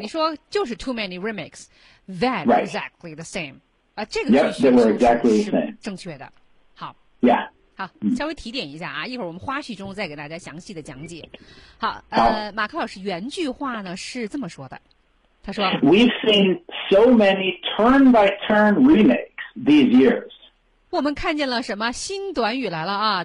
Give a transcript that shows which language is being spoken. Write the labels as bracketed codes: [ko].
[zh] 你说就是 [en] too many remakes that、 right. exactly the same [zh] 啊，这个句子 [en] yep, they were exactly the same. [zh] 是正确的，好 [en] yeah [zh] 好，稍微提点一下啊，一会儿我们花絮中再给大家详细的讲解。好，马克老师原句话呢是这么说的，他说 [en] ：“We've seen so many turn-by-turn remakes these years。” [zh] 我们看见了什么新短语来了啊？